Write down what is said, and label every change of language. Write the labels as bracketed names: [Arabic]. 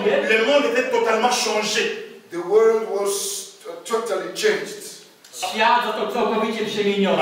[French] Le monde était totalement changé. [English] The world was totally changed. [Polish] Świat został całkowicie przemieniony.